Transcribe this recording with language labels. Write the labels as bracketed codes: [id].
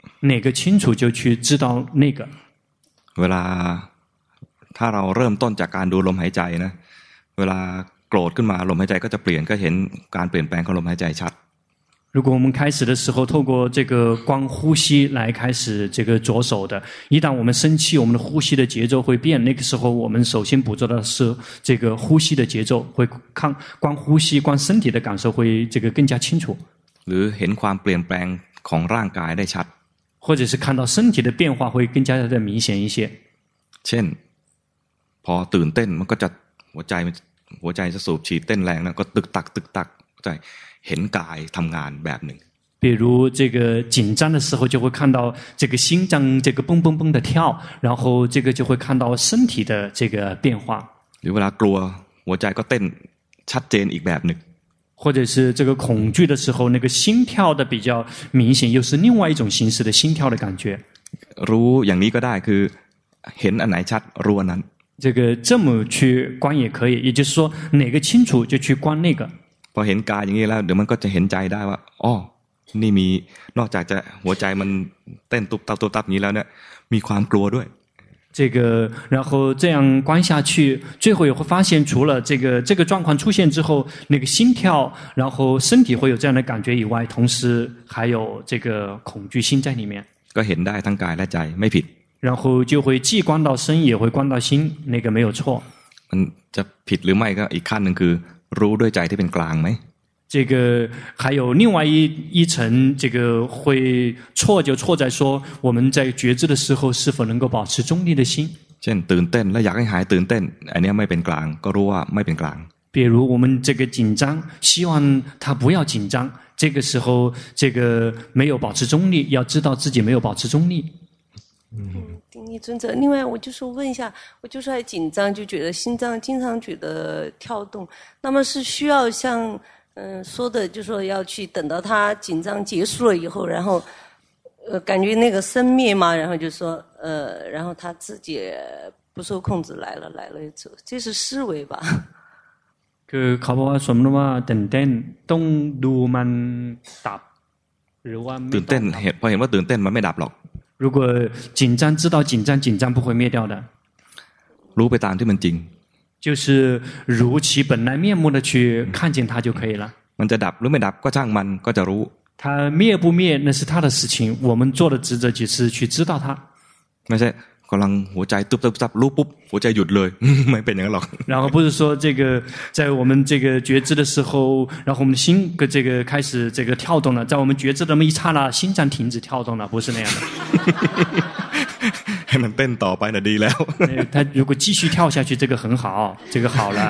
[zh] 哪个清楚就去知道那个 [th] เวลาถ้าเราเริ่มต้นจากการดูลมหายใจนะเวลาโกรธขึ้นมาลมหายใจก็จะเปลี่ยนก็เห็นการเปลี่ยนแปลงของลมหายใจชัด [zh] 如果我们开始的时候透过这个光呼吸来开始这个着手的一旦我们生气我们的呼吸的节奏会变那个时候我们首先捕捉的是这个呼吸的节奏会看光呼吸光身体的感受会这个更加清楚 [th] หรือเห็นความเปลี่ยนแปลงของร่างกายได้ชัด [zh] 或者是看到身体的变化会更加的明显一些 [th] เช่นพอตื่นเต้นมันก็จะหัวใจจะสูบฉีดเต้นแรงแล้วก็ตึกตักตึกตักใจเห็นกายทำงานแบบหนึ่ง [zh] 比如这个紧张的时候就会看到这个心脏这个蹦蹦蹦的跳，然后这个就会看到身体的这个变化。 [th] หรือเวลากลัวหัวใจก็เต้นชัดเจนอีกแบบหนึ่ง。 [zh] 或者是这个恐惧的时候，那个心跳的比较明显，又是另外一种形式的心跳的感觉。 [th] รู้อย่างนี้ก็ได้คือเห็นอันไหนชัดรู้อันนั้น。 [zh] 这个这么去观也可以，也就是说哪个清楚就去观那个。 [th] พอเห็นกายอย่างนี้แล้วเดี๋ยวมันก็จะเห็นใจได้ว่าอ๋อนี่มีนอกจากจะหัวใจมันเต้นตุบตับตุบตับนี้แล้วเนี่ยมีความกลัวด้วย [zh] 这个然后这样观下去最后也会发现除了这个状况出现之后那个心跳然后身体会有这样的感觉以外同时还有这个恐惧心在里面 [th] ก็เห็นได้ทั้งกายและใจไม่ผิด [zh] 然后就会既观到身也会观到心那个没有错 [th] มันจะผิดหรือไม่ก็อีกขั้นหนึ่งคือรู้ด้วยใจที่เป็นกลางไหม [zh] 这个还有另外一层这个会错就错在说我们在觉知的时候是否能够保持中立的心 [th] เช่นตื่นเต้นและอยากให้หายตื่นเต้นอันนี้ไม่เป็นกลางก็รู้ว่าไม่เป็นกลาง [zh] 比如我们这个紧张希望他不要紧张这个时候这个没有保持中立要知道自己没有保持中立丁义尊者另外我就是问一下我就是还紧张就觉得心脏经常觉得跳动那么是需要像说的就是说要去等到他紧张结束了以后然后感觉那个生灭嘛然后就说然后他自己不受控制来了走这是思维吧 그가보아숨놈아덴덴똥두만답르와미 덴덴헤퍼헤마덴덴만메답록 如果紧张知道紧张不会灭掉的 [th] รู้ไปตามที่มันจริง [zh] 就是如其本来面目的去看见它就可以了 [th] มันจะดับหรือไม่ดับก็ช่างมันก็จะรู้ [zh] 它灭不灭那是它的事情我们做的职责就是去知道它 [th] ไม่ใช่กำลังหัวใจตุบตับรู้ปุ๊บหัวใจหยุดเลยไม่เป็นอย่างนั้นหรอก [zh] 然后不是说这个在我们这个觉知的时候然后我们的心跟这个开始这个跳动了在我们觉知的那么一刹那心脏停止跳动了不是那样的 [th] ให้มันเต้นต่อไปน่ะดีแล้ว [zh] 他如果继续跳下去这个很好这个好了